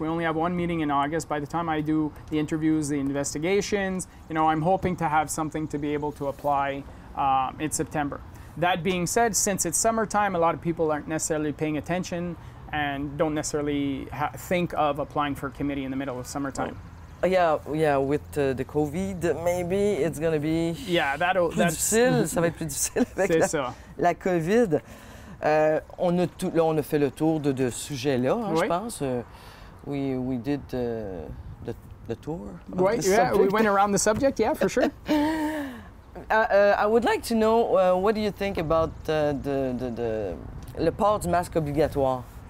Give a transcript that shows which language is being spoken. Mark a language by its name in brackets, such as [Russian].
[English] We only have one meeting in August. By the time I do the interviews, the investigations, you know, I'm hoping to have something to be able to apply in September. That being said, since it's summertime, a lot of people aren't necessarily paying attention and don't necessarily think of applying for a committee in the middle of summertime. Oh. Yeah, with the COVID, maybe it's going to be... Yeah, that'll... [French] Plus difficile, ça va être plus difficile avec c'est la, ça. La COVID. On a fait le tour de ce sujet-là, hein, oui. Je pense. [English] We did the tour. [French] Oui, [English] the yeah, we went around the subject, yeah, for sure. I would like to know, what do you think about the [French] port du masque obligatoire?